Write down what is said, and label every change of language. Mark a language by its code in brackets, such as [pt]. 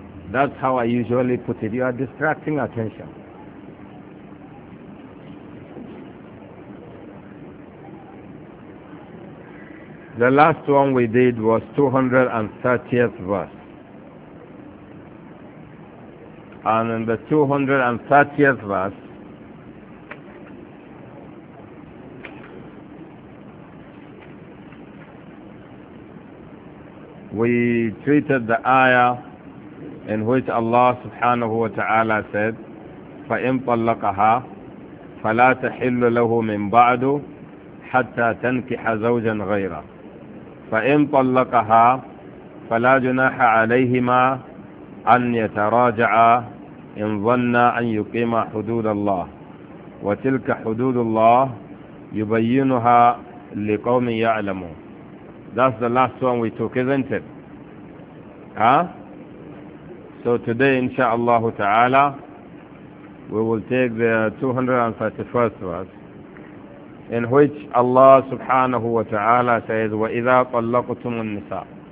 [en] That's how I usually put it. You are distracting attention. The last one we did was 230th verse. And in the 230th verse, we treated the ayah in which Allah subhanahu wa ta'ala said, [ar] فَإِن طَلَّقَهَا فَلَا تَحِلُّ لَهُ مِن بَعْدُ حَتَّى تَنْكِحَ زَوْجًا غَيْرَهُ فَإِن طَلَّقَهَا فَلَا جُنَاحَ عَلَيْهِمَا أَن يَتَرَاجَعَا إِن ظَنَّا أَن يُقِيمَا حُدُودَ اللَّهِ وَتِلْكَ حُدُودُ اللَّهِ يُبَيِّنُهَا لِقَوْمٍ يَعْلَمُونَ. [en] That's the last one we took, isn't it? Huh? So today, insha'Allah ta'ala, we will take the 231st verse in which Allah subhanahu wa ta'ala says, [ar] وَإِذَا طَلَّقْتُمُ النِّسَاءَ.